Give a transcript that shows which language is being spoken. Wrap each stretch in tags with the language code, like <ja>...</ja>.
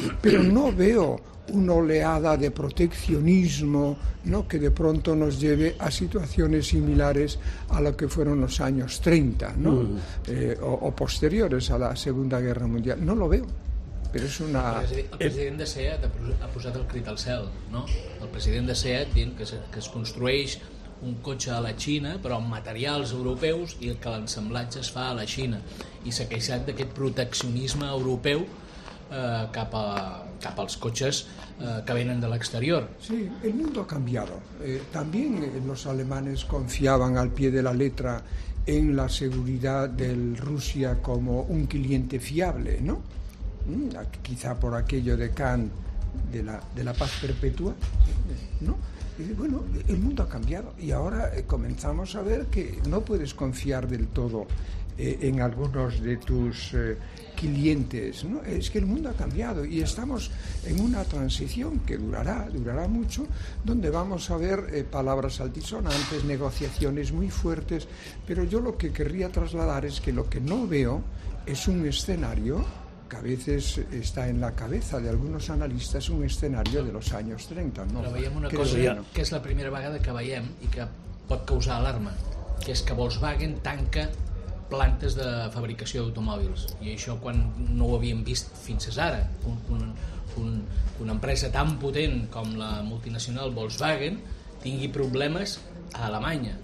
<es>Pero no veo una oleada de proteccionismo, ¿no?, que de pronto nos lleve a situaciones similares a lo que fueron los años 30, ¿no? O posteriores a la Segunda Guerra Mundial. No lo veo, pero es una...</es> <ca>El president de SEAT ha posat el crit al cel, ¿no? El president de SEAT dient que es construeix un cotxe a la Xina, però amb materials europeus, i que l'ensamblatge es fa a la Xina. I s'ha queixat d'aquest proteccionisme europeu cap als cotxes que venen de l'exterior.</ca> <es>Sí, el mundo ha cambiado. También los alemanes confiaban al pie de la letra en la seguridad de Rusia como un cliente fiable, ¿no? Quizá por aquello de Kant, de la paz perpetua, ¿no? Bueno, el mundo ha cambiado y ahora comenzamos a ver que no puedes confiar del todo en algunos de tus clientes, ¿no? Es que el mundo ha cambiado y estamos en una transición que durará mucho, donde vamos a ver palabras altisonantes, negociaciones muy fuertes, pero yo lo que querría trasladar es que lo que no veo es un escenario que a veces está en la cabeza de algunos analistas, un escenario de los años 30. ¿No?</es> <ca>Però veiem una cosa que és la primera vegada que veiem i que pot causar alarma, que és que Volkswagen tanca plantes de fabricació d'automòbils, i això quan no ho havíem vist fins ara, una empresa tan potent com la multinacional Volkswagen tingui problemes a Alemanya.</ca>